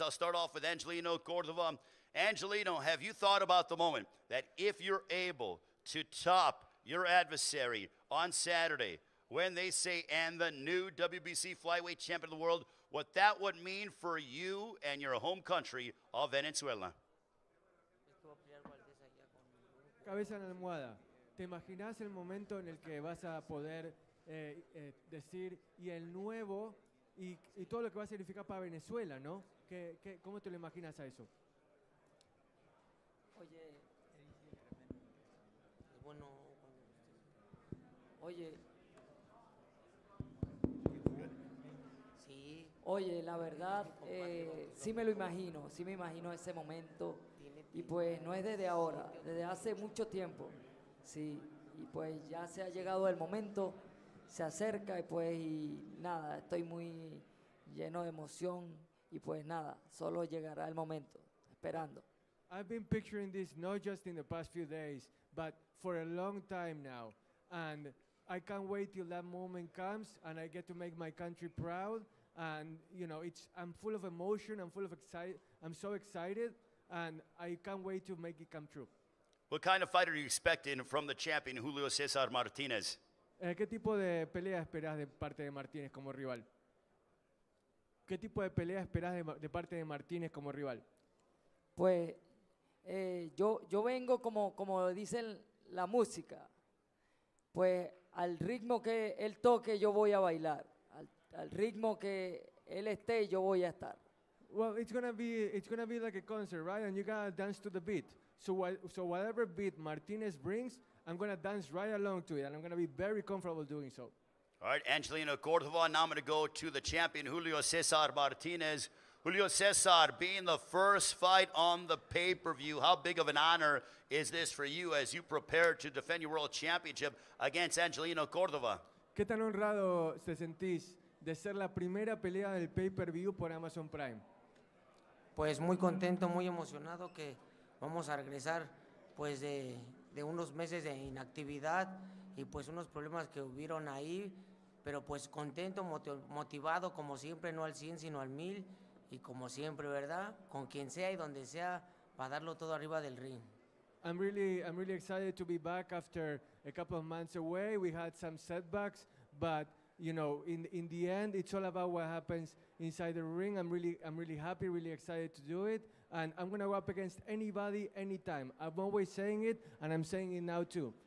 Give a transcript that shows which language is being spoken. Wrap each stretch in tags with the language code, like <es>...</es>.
<en>I'll start off with Angelino Cordova. Angelino, have you thought about the moment that if you're able to top your adversary on Saturday when they say, and the new WBC flyweight champion of the world, what that would mean for you and your home country of Venezuela?</en> <es>Cabeza en la almohada. ¿Te imaginas el momento en el que vas a poder decir y el nuevo y todo lo que va a significar para Venezuela, ¿no? ¿Qué, cómo te lo imaginas a eso? Oye, la verdad, sí me imagino ese momento. Y pues no es desde ahora, desde hace mucho tiempo, sí, y pues ya se ha llegado el momento, se acerca y pues y nada, estoy muy lleno de emoción y pues nada, solo llegará el momento, esperando.</es> <en>I've been picturing this not just in the past few days, but for a long time now, and I can't wait till that moment comes and I get to make my country proud, and you know, I'm full of emotion, I'm full of excitement, I'm so excited. And I can't wait to make it come true. What kind of fighter are you expecting from the champion Julio César Martínez?</en> <es>¿Qué tipo de pelea esperas de parte de Martínez como rival? ¿Qué tipo de pelea esperas de parte de Martínez como rival? Pues yo vengo como dicen la música. Pues al ritmo que él toque yo voy a bailar. Al ritmo que él esté yo voy a estar.</es> <en>Well, it's gonna be like a concert, right? And you gotta dance to the beat. So whatever beat Martinez brings, I'm gonna dance right along to it, and I'm gonna be very comfortable doing so. All right, Angelino Cordova. Now I'm gonna go to the champion Julio César Martinez. Julio César, being the first fight on the pay-per-view, how big of an honor is this for you as you prepare to defend your world championship against Angelino Cordova?</en> <es>¿Qué tan honrado se sentís de ser la primera pelea del pay-per-view por Amazon Prime? Pues muy contento, muy emocionado que vamos a regresar pues de unos meses de inactividad y pues unos problemas que hubieron ahí, pero pues contento, motivado como siempre, no al 100 sino al 1000 y como siempre, ¿verdad? Con quien sea y donde sea para darlo todo arriba del ring.</es> <en>I'm really excited to be back after a couple of months away. We had some setbacks, but you know, in the end, it's all about what happens inside the ring. I'm really happy, really excited to do it. And I'm going to go up against anybody, anytime. I'm always saying it, and I'm saying it now, too.</en>